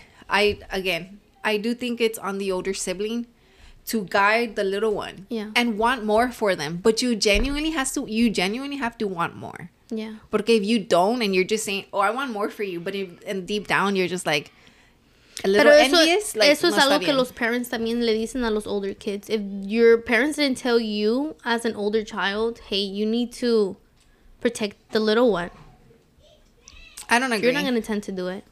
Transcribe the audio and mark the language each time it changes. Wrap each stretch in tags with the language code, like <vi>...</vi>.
<en>I do think it's on the older sibling to guide the little one. Yeah. And want more for them. But you genuinely have to want more. Yeah. Because if you don't and you're just saying, oh, I want more for you. But and deep down, you're just like, a little</en> <es>pero eso,</es> <en>envious, like,</en> <es>eso es algo que los parents también le dicen a los</es> <en>older kids. If your parents didn't tell you as an older child, hey, you need to protect the little one. I don't agree. You're not going to tend to do it.</en>